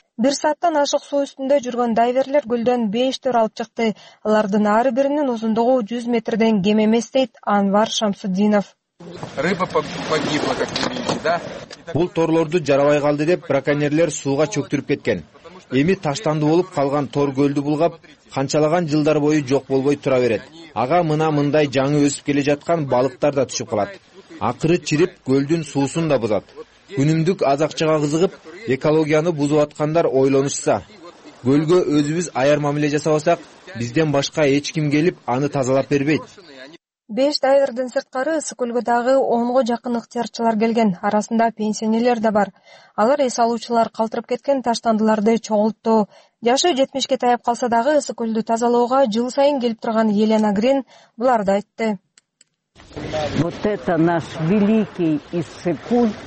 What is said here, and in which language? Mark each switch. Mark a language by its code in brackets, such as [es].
[ky] Бир сааттан ашык суу үстүндө жүргөн дайверлер көлдөн 5 тор алып чыкты. Алардын ар биринин узундугу 100 метрден кем эмес дейт Анвар Шамсудинов. [ru] Рыба погибла, как вы видите, да? [ky] Бул торлорду жарабай калды деп браконьерлер сууга чөктүрүп кеткен. Эми таштанды болуп калган тор көлдү булгап, канчалаган жылдар бою жок болбой тура берет. Ага мына мындай жаңы өсүп келе жаткан балыктар да түшүп калат. Акыры чирип көлдүн суусун да бузат. Күнүмдүк аз акчага кызыгып, экологияны бузуп аткандар ойлонушса, көлгө өзүбүз аяр мамиле жасабасак, бизден башка эч ким келип аны тазалап бербейт. Беш дайвердин сырткары ысык көлгө дагы 10 жакын ыктыярчылар келген, арасында пенсионерлер да бар. Алар эс алуучулар калтырып кеткен таштандыларды чогултту. Жашы 70 таяп калса дагы ысык көлдү тазалоого жыл сайын келип турган Елена Грин буларды айтты. [ru] Вот это наш великий Иссык-Куль.